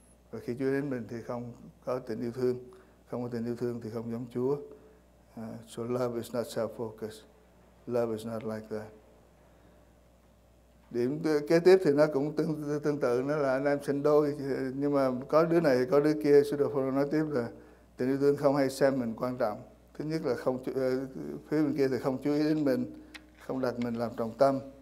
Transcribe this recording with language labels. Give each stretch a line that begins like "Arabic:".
Vietnamese: Và khi chú ý đến mình thì không có tình yêu thương, không có tình yêu thương thì không giống Chúa.
English: So love is not self-focused. Love is not like that.
Vietnamese: Điểm kế tiếp thì nó cũng tương tự, nó là anh em sinh đôi, nhưng mà có đứa này có đứa kia. Sư đồ Phaolô nói tiếp là tình yêu thương không hay xem mình quan trọng. Thứ nhất là không, phía bên kia thì không chú ý đến mình, không đặt mình làm trọng tâm.